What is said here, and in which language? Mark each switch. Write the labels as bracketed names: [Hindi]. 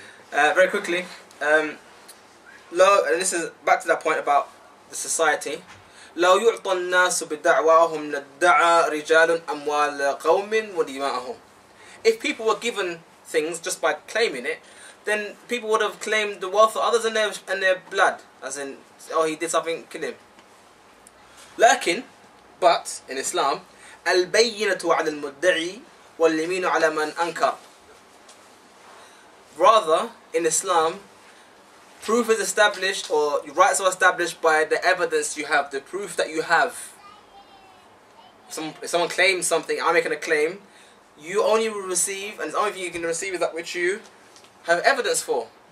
[English] Very quickly, and this is back to that point about the society. [Arabic] لَوْ يُعْطَ النَّاسُ بِدَعْوَاهُمْ لَدَّعَى رِجَالٌ أَمْوَالَ قَوْمٍ وَدِمَاءَهُمْ. [English] If people were given things just by claiming it, then people would have claimed the wealth of others and their blood. As in, oh, he did something, kill him. [Arabic] لكن, [English] but, in Islam, [Arabic] الْبَيِّنَةُ عَلَى الْمُدَّعِي وَالْيَمِينُ عَلَى مَنْ أَنْكَرَ. [English] Rather, in Islam, proof is established, or your rights are established by the evidence you have, the proof that you have. If someone claims something, I'm making a claim, you only will receive, and the only thing you can receive is that which you have evidence for.